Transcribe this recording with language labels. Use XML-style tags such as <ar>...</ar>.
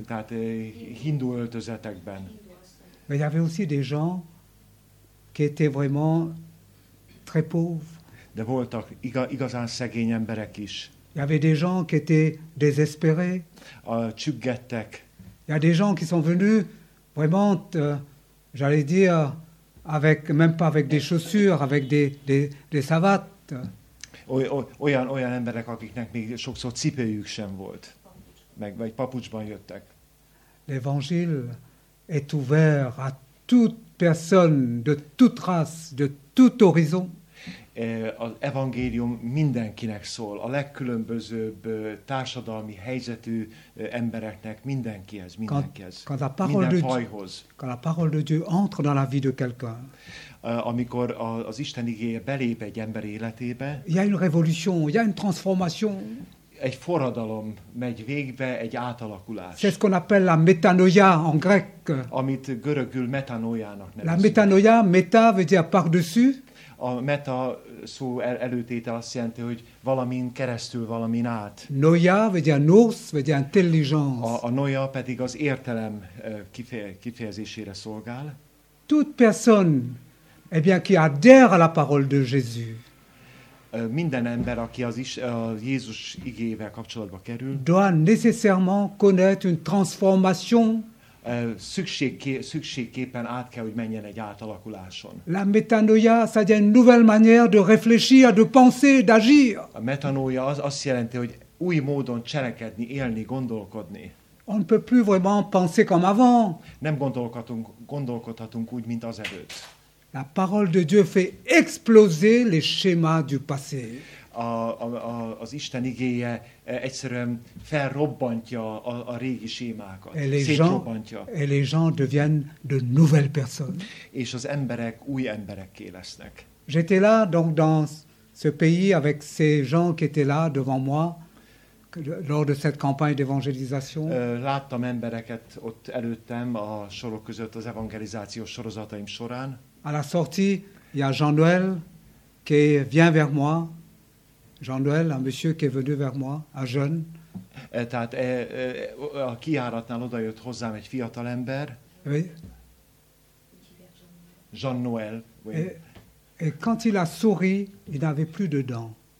<hu>Tehát hindu öltözetekben.</hu> <fr>Mais il y avait aussi des gens qui étaient vraiment très pauvres.</fr> <hu>De voltak igazán szegény emberek is.</hu> <fr>Il y avait des gens qui étaient désespérés.</fr> <hu>Csüggettek.</hu> <fr>Il y a des gens qui sont venus vraiment, j'allais dire, avec même pas avec des chaussures, avec des savates.</fr> <hu>Olyan emberek, akiknek még sokszor cipőjük sem volt, meg vagy papucsban jöttek.</hu> <fr>L'évangile est ouvert à toute personne, de toute race, de tout horizon.</fr> <hu>Az evangélium mindenkinek szól, a legkülönbözőbb társadalmi helyzetű embereknek, mindenkihez, mindenfajhoz.</hu> <fr>Quand la parole de Dieu entre dans la vie de quelqu'un.</fr> <hu>Amikor az Isten igéje belép egy ember életébe.</hu> <fr>Il y a une révolution, il y a une transformation.</fr> <hu>Egy forradalom megy végbe, egy átalakulás.</hu> <fr>C'est ce qu'on appelle la métanoïa en grec.</fr> <hu>Amit görögül metanoiának nevezik.</hu> <fr>La métanoïa, meta veut dire par-dessus.</fr> <hu>A meta szó előtéte azt jelenti, hogy valamin keresztül, valamin át. Noia, vagy a nos, vagy a intelligence. A noia pedig az értelem kifejezésére szolgál.</hu> <fr>Toute personne, eh bien, qui adhère à la parole de Jésus.</fr> <hu>Minden ember, aki a Jézus igével kapcsolatba kerül,</hu> <fr>doit nécessairement connaître une transformation.</fr> <hu>Szükségképpen át kell, hogy menjen egy átalakuláson.</hu> <fr>La métanoïa, c'est une nouvelle manière de réfléchir, de penser, d'agir.</fr> <hu>A metanoia az azt jelenti, hogy új módon cselekedni, élni, gondolkodni.</hu> <fr>On ne peut plus vraiment penser comme avant.</fr> <hu>Nem gondolkodhatunk úgy, mint azelőtt.</hu> <fr>La parole de Dieu fait exploser les schémas du passé.</fr> <hu>Az Isten igéje egyszerűen felrobbantja a régi sémákat, szétrobbantja.</hu> <fr>Et les gens deviennent de nouvelles personnes.</fr> <hu>És az emberek új emberekké lesznek.</hu> <fr>J'étais là donc dans ce pays avec ces gens qui étaient là devant moi lors de cette campagne d'évangélisation.</fr> <hu>Láttam embereket ott előttem a sorok között az evangelizációs sorozataim során.</hu> <fr>À la sortie, il y a Jean-Noël qui vient vers moi. Jean-Noël, un monsieur qui est venu vers moi, un jeune.</fr> <hu>Tehát a kijáratnál odajött hozzám egy fiatal ember.</hu> <fr>Oui. Jean-Noël. Oui. Et quand il a souri, il n'avait plus de dents.</fr>